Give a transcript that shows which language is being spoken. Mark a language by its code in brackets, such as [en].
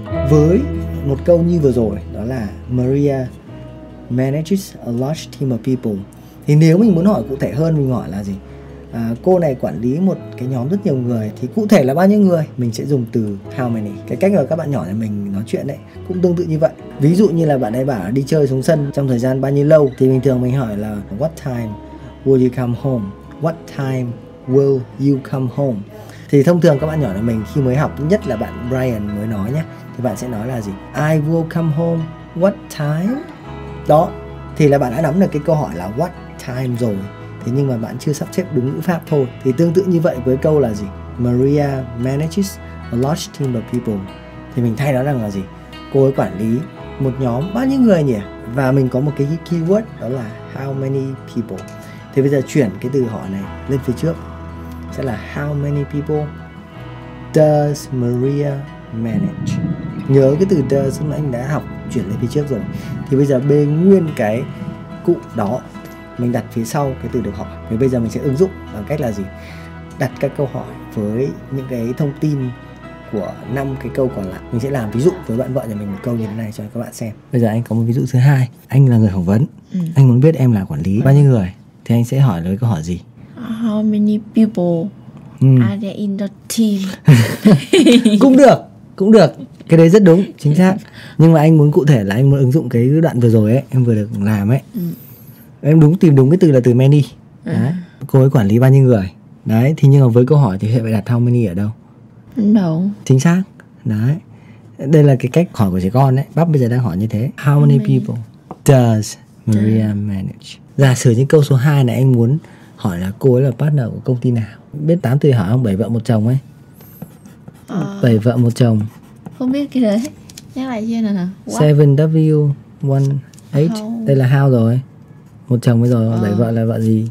[vi] Với một câu như vừa rồi, đó là [en] Maria manages a large team of people, [vi] thì nếu mình muốn hỏi cụ thể hơn, mình hỏi là gì? Cô này quản lý một cái nhóm rất nhiều người, thì cụ thể là bao nhiêu người? Mình sẽ dùng từ how many. Cái cách mà các bạn nhỏ nhà mình nói chuyện đấy cũng tương tự như vậy. Ví dụ như là bạn ấy bảo đi chơi xuống sân trong thời gian bao nhiêu lâu, thì bình thường mình hỏi là [en] what time will you come home? What time will you come home? [vi] Thì thông thường các bạn nhỏ nhà mình khi mới học, nhất là bạn Brian mới nói nhé, thì bạn sẽ nói là gì? [en] I will come home what time? [vi] Đó, thì là bạn đã nắm được cái câu hỏi là what time rồi. Thế nhưng mà bạn chưa sắp xếp đúng ngữ pháp thôi. Thì tương tự như vậy với câu là gì? [en] Maria manages a large team of people. [vi] Thì mình thay đó rằng là gì? Cô ấy quản lý một nhóm bao nhiêu người nhỉ? Và mình có một cái keyword đó là [en] how many people. [vi] Thì bây giờ chuyển cái từ hỏi này lên phía trước, sẽ là [en] how many people does Maria manage. [vi] Nhớ cái từ does mà anh đã học chuyển lên phía trước rồi. Thì bây giờ bê nguyên cái cụ đó, mình đặt phía sau cái từ được hỏi. Thì bây giờ mình sẽ ứng dụng bằng cách là gì? Đặt các câu hỏi với những cái thông tin của 5 cái câu còn lại. Mình sẽ làm ví dụ với bạn vợ nhà mình một câu như thế này cho các bạn xem. Bây giờ anh có một ví dụ thứ hai. Anh là người phỏng vấn. Ừ. Anh muốn biết em là quản lý bao nhiêu người. Thì anh sẽ hỏi với câu hỏi gì? [en] How many people are there in the team? [vi] Cũng được, cũng được. Cái đấy rất đúng, chính xác. Nhưng mà anh muốn cụ thể là anh muốn ứng dụng cái đoạn vừa rồi ấy, em vừa được làm ấy. Em đúng, tìm đúng cái từ là từ many. Đấy. Cô ấy quản lý bao nhiêu người. Đấy, thì nhưng mà với câu hỏi thì hệ phải đặt how many ở đâu? Đâu. Chính xác. Đấy. Đây là cái cách hỏi của trẻ con đấy. Bắp bây giờ đang hỏi như thế. [en] How many people does Maria manage? [vi] Giả sử như câu số 2 này, anh muốn hỏi là cô ấy là partner của công ty nào? Biết 8 từ hỏi không? 7 vợ một chồng ấy. 7 vợ một chồng. Không biết cái đấy. Nhắc lại chưa nào. 7W1H. Đây là how rồi. Một chồng bây giờ lấy vợ là vợ gì?